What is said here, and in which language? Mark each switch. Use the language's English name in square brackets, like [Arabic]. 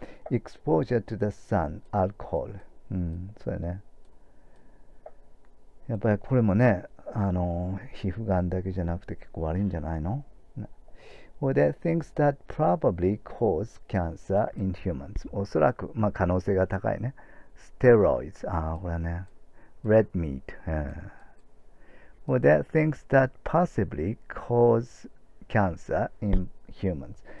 [English] Exposure to the sun, [Japanese] アルコール。そうだね。やっぱりこれもね、皮膚がんだけじゃなくて結構悪いんじゃないの？ [English] Well, there are things that probably cause cancer in humans. [Japanese] おそらく、まあ可能性が高いね。 [English] Steroids. [Japanese] ああ、これね。 [English] Red meat. Well, there are things that possibly cause cancer in humans.